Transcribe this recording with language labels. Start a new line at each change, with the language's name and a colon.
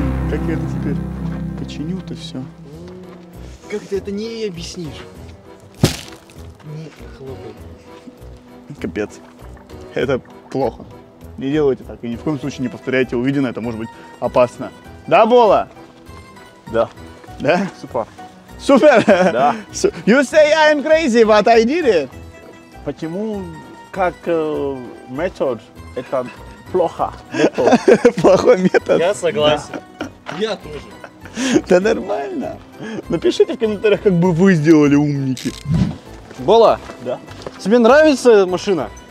Russian: Как я это теперь починю-то все? Как ты это не объяснишь? Не хлопай. Капец. Это плохо. Не делайте так и ни в коем случае не повторяйте увиденное, это может быть опасно. Да, Бола? Да. Да? Супер. Супер? Да.
English: You say I'm crazy, but I did it.
Russian: Почему как метод это плохо? Плохой метод? Я согласен. Я тоже. Да нормально. Напишите в комментариях, как бы вы сделали, умники. Бола? Да. Тебе нравится машина?